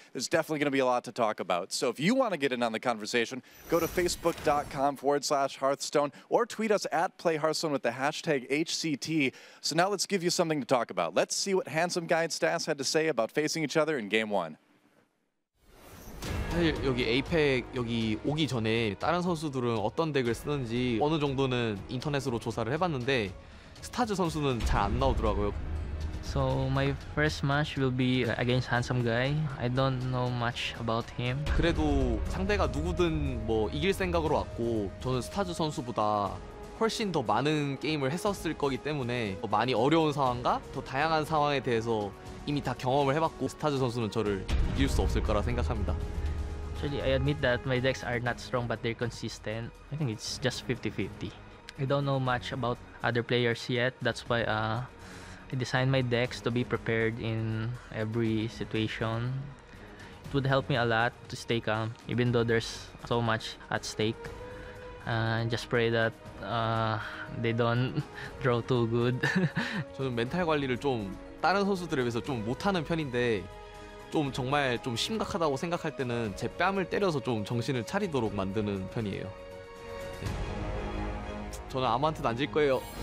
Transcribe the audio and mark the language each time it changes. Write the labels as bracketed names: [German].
[English] There's definitely going to be a lot to talk about. So if you want to get in on the conversation, go to facebook.com/Hearthstone or tweet us at Play Hearthstone with the hashtag HCT. So now let's give you something to talk about. Let's see what Handsome Guy and Staz had to say about facing each other in game 1. [Korean] 사실 여기 에이펙 여기 오기 전에 다른 선수들은 어떤 덱을 쓰는지 어느 정도는 인터넷으로 조사를 해봤는데 스타즈 선수는 잘 안 나오더라고요. [English] So my first match will be against Handsome Guy. I don't know much about him. [Korean] 그래도 상대가 누구든 뭐 이길 생각으로 왔고 저는 스타즈 선수보다 훨씬 더 많은 게임을 했었을 거기 때문에 많이 어려운 상황과 더 다양한 상황에 대해서 이미 다 경험을 해봤고 스타즈 선수는 저를 이길 수 없을 거라 생각합니다. [English] Actually, I admit that my decks are not strong, but they're consistent. I think it's just 50-50. I don't know much about other players yet. That's why I designed my decks to be prepared in every situation. It would help me a lot to stay calm, even though there's so much at stake. Just pray that they don't draw too good. [Korean] 저는 멘탈 관리를 좀 다른 선수들에 비해서 좀 못하는 편인데 좀 정말 좀 심각하다고 생각할 때는 제 뺨을 때려서 좀 정신을 차리도록 만드는 편이에요. 저는 아무한테도 안 질 거예요.